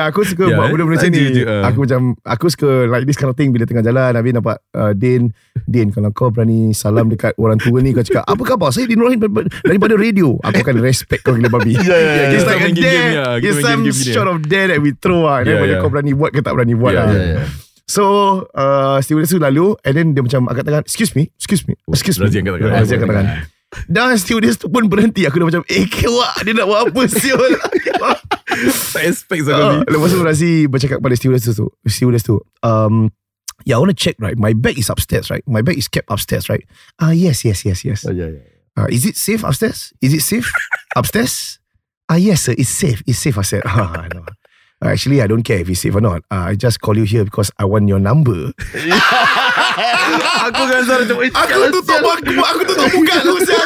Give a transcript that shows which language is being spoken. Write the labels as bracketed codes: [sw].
[ms] Aku suka buat benda-benda macam ni. Aku macam, aku suka [en] like this kind of thing. [ms] Bila tengah jalan habis nampak Din, Din, kalau kau berani salam dekat orang tua ni, kau cakap, apa khabar? Saya Din Rohin daripada radio. Aku akan respect kau gila babi. [en] It's like a dare. It's some shot of dare that we throw. [ms] Daripada kau berani buat ke tak berani buat. So stewardess tu lalu, [en] and then [ms] dia macam angkat tangan, [en] excuse me, excuse me, excuse me. [ms] Razi angkat tangan. Dan stewardess tu pun berhenti. Aku dah macam, eh kewak, dia nak buat apa siul. Tak expect sama ni. Lepas tu Razi bercakap pada stewardess tu, [en] stewardess tu, yeah, I want to check right, my bag is upstairs right, my bag is kept upstairs right. Ah, yes. Is it safe upstairs? Is it safe upstairs? Ah, yes sir, it's safe. It's safe, I said. Actually, I don't care if it's safe or not. I just call you here because I want your number. [ms] Aku rasa macam, aku tutup buka, aku tutup buka lu, sial.